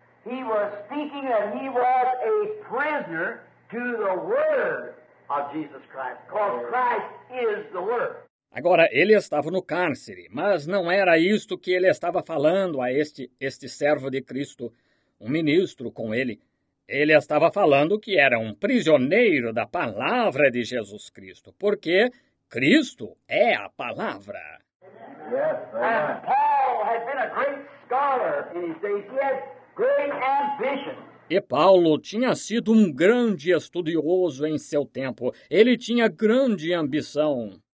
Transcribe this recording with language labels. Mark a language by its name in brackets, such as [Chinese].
[English] He was speaking that he was a prisoner to the Word of Jesus Christ, because Christ is the Word. [Portuguese] Agora, ele estava no cárcere, mas não era isto que ele estava falando a este servo de Cristo, um ministro com ele. Ele estava falando que era um prisioneiro da palavra de Jesus Cristo, porque Cristo é a palavra. [English] Yes, Paul had been a great scholar in his days. He had great ambition. [Portuguese] E Paulo tinha sido um grande estudioso em seu tempo. Ele tinha grande ambição.